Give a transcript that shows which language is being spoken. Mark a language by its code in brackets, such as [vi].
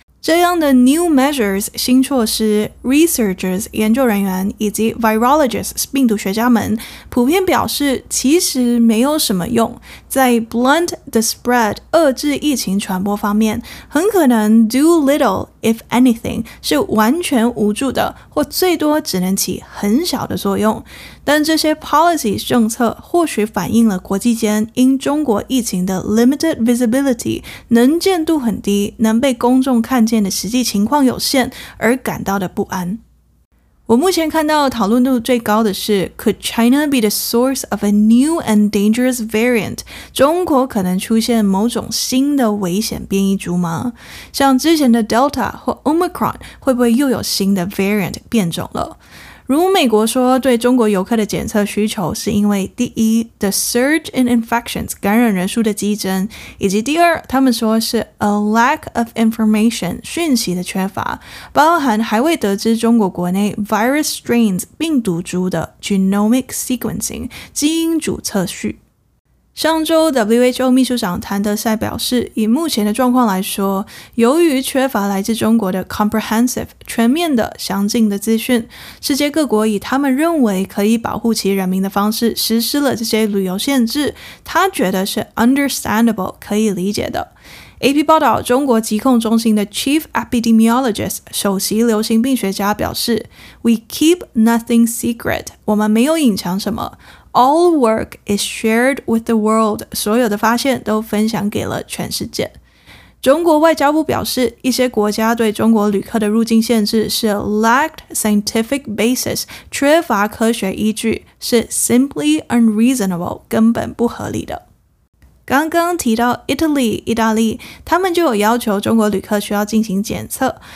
[zh] 这样的 new measures 新措施， researchers 研究人员以及 virologists 病毒学家们普遍表示其实没有什么用，在 [en] blunt the spread [zh] 遏制疫情传播方面，很可能 [en] do little if anything [zh] 是完全无助的，或最多只能起很小的作用。但这些 policy 政策或许反映了国际间因中国疫情的 [en] limited visibility [zh] 能见度很低，能被公众看见的实际情况有限而感到的不安。我目前看到讨论度最高的是 [en] Could China be the source of a new and dangerous variant? [zh] 中国可能出现某种新的危险变异株吗？像之前的 Delta 或 Omicron 会不会又有新的 variant 变种了？如美国说对中国游客的检测需求是因为第一 [en] the surge in infections [zh] 感染人数的激增，以及第二他们说是 [en] a lack of information [zh] 讯息的缺乏，包含还未得知中国国内 [en] virus strains [zh] 病毒株的 [en] genomic sequencing [zh] 基因组测序。上周 WHO 秘书长谭德赛表示，以目前的状况来说，由于缺乏来自中国的 comprehensive 全面的详尽的资讯，世界各国以他们认为可以保护其人民的方式实施了这些旅游限制，他觉得是 understandable 可以理解的。 AP 报道，中国疾控中心的 Chief Epidemiologist 首席流行病学家表示， [en] We keep nothing secret， [zh] 我们没有隐藏什么。 [en] All work is shared with the world， [zh] 所有的发现都分享给了全世界。中国外交部表示，一些国家对中国旅客的入境限制是 [en] lacked scientific basis, [zh] 缺乏科学依据，是 [en] simply unreasonable, [zh] 根本不合理的。刚刚提到 Italy, 意大利，他们就有要求中国旅客需要进行检测。